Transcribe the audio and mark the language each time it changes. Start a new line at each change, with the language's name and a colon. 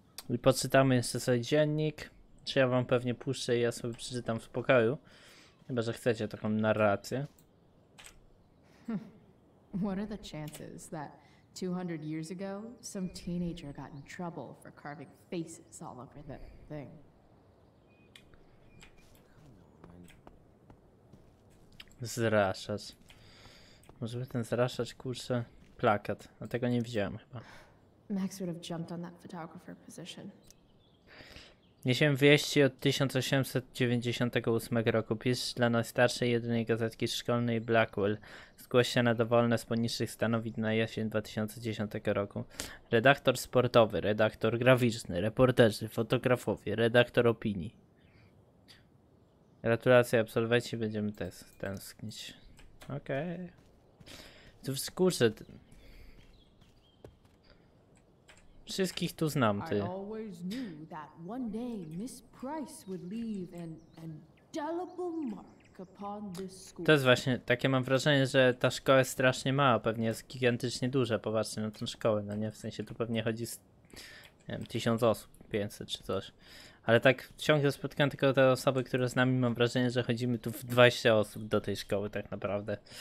Polish: I poczytamy jeszcze sobie dziennik. Czy ja wam pewnie puszczę i ja sobie przeczytam w spokoju. Chyba, że chcecie taką narrację.
English: What are the chances that 200 years ago some teenager got in trouble for carving faces all over the thing?
Polish: Zraszacz. Może by ten zraszacz, kurczę, plakat. A tego nie widziałem chyba.
English: Max would have jumped on that photographer position.
Polish: Niesiemy wieści od 1898 roku. Pisz dla najstarszej jedynej gazetki szkolnej Blackwell. Zgłoś się na dowolne z poniższych stanowisk na jesień 2010 roku. Redaktor sportowy, redaktor graficzny, reporterzy, fotografowie, redaktor opinii. Gratulacje absolwenci, będziemy tęsknić. Okej. Okay. Cóż, kurczę. Wszystkich tu znam, ty.
English: I always knew that one day Miss Price would leave an indelible mark upon this school.
Polish: To jest właśnie, takie mam wrażenie, że ta szkoła jest strasznie mała, pewnie jest gigantycznie duża, popatrzcie na tą szkołę, no nie? W sensie tu pewnie chodzi z, nie wiem, 1000 osób, 500 czy coś. Ale tak ciągle spotykam tylko te osoby, które z nami, mam wrażenie, że chodzimy tu w 20 osób do tej szkoły tak naprawdę.